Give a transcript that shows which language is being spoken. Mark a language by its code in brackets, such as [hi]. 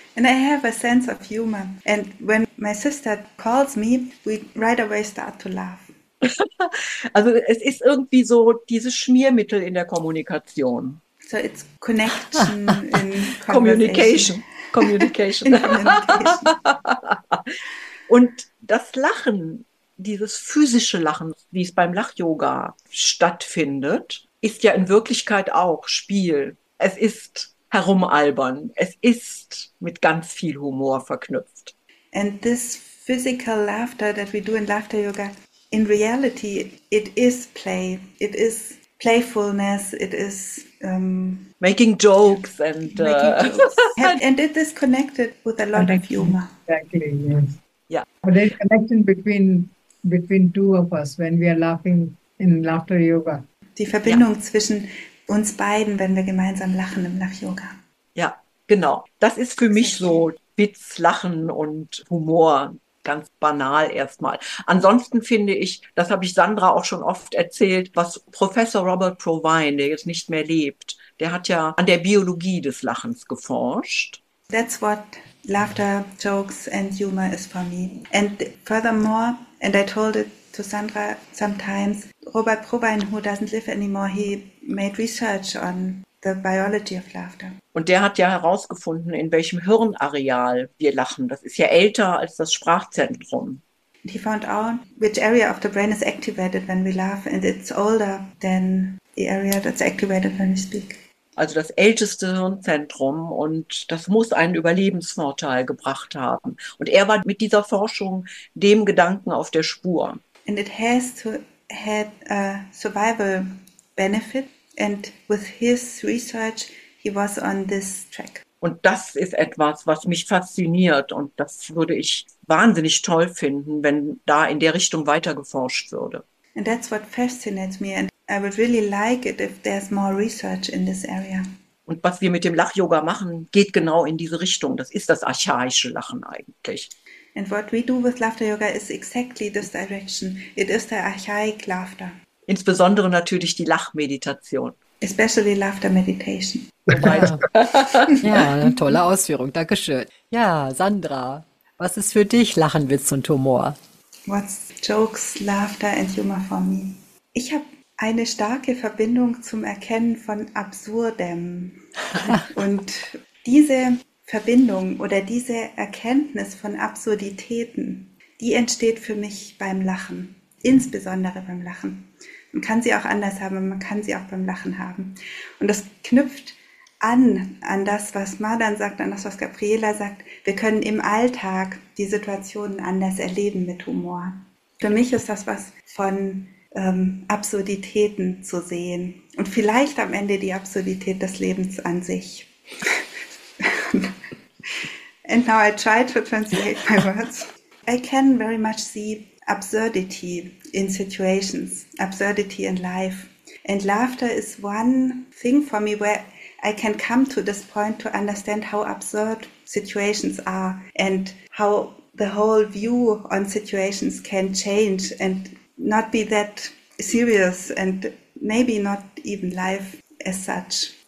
[en] And I have a sense of humor. And when my sister calls me, we right away start to laugh. [de] Also es ist irgendwie so dieses Schmiermittel in der Kommunikation. [en] So it's connection in communication. Communication. In communication. [de] Und das Lachen dieses physische Lachen, wie es beim Lach-Yoga stattfindet, ist ja in Wirklichkeit auch Spiel. Es ist herumalbern. Es ist mit ganz viel Humor verknüpft. [en] And this physical laughter that we do in laughter yoga, in reality, it is play. It is playfulness. It is making jokes and jokes. And it is connected with a lot of humor. Exactly. Yes. Yeah. But there's connection between two of us when we are laughing in laughter yoga. [de] Die Verbindung zwischen uns beiden, wenn wir gemeinsam lachen im Lach-Yoga. Ja, genau. Das ist für mich so Witz, Lachen und Humor ganz banal erstmal. Ansonsten finde ich, das habe ich Sandra auch schon oft erzählt, was Professor Robert Provine, der jetzt nicht mehr lebt, der hat ja an der Biologie des Lachens geforscht. [en] That's what laughter, jokes and humor is for me. And furthermore, and I told it to Sandra sometimes, Robert Provine, who doesn't live anymore, he made research on the biology of laughter. [de] Und der hat ja herausgefunden, in welchem Hirnareal wir lachen. Das ist ja älter als das Sprachzentrum. [en] He found out which area of the brain is activated when we laugh, and it's older than the area that's activated when we speak. [de] Also das älteste Hirnzentrum, und das muss einen Überlebensvorteil gebracht haben. Und er war mit dieser Forschung dem Gedanken auf der Spur. [en] And it has to had a survival benefit, and with his research he was on this track. [de] Und das ist etwas, was mich fasziniert, und das würde ich wahnsinnig toll finden, wenn da in der Richtung weiter geforscht würde. [en] And that's what fascinates me, and I would really like it if there's more research in this area. [de] Und was wir mit dem Lach-Yoga machen, geht genau in diese Richtung. Das ist das archaische Lachen eigentlich. [en] And what we do with laughter yoga is exactly this direction. It is the archaic laughter. [de] Insbesondere natürlich die Lachmeditation. [en] Especially laughter meditation. [de] Ja, tolle Ausführung, danke schön. Ja, Sandra, was ist für dich Lachen, Witz und Humor? [en] What's jokes, laughter and humor for me? [de] Ich habe eine starke Verbindung zum Erkennen von Absurdem. Und diese Verbindung oder diese Erkenntnis von Absurditäten, die entsteht für mich beim Lachen, insbesondere beim Lachen. Man kann sie auch anders haben, aber man kann sie auch beim Lachen haben. Und das knüpft an das, was Madan sagt, an das, was Gabriela sagt. Wir können im Alltag die Situationen anders erleben mit Humor. Für mich ist das was von Absurditäten zu sehen und vielleicht am Ende die Absurdität des Lebens an sich. [en] And now I try to translate my words. I can very much see absurdity in situations, absurdity in life. And laughter is one thing for me where I can come to this point to understand how absurd situations are and how the whole view on situations can change and not be that serious and maybe not even life as such.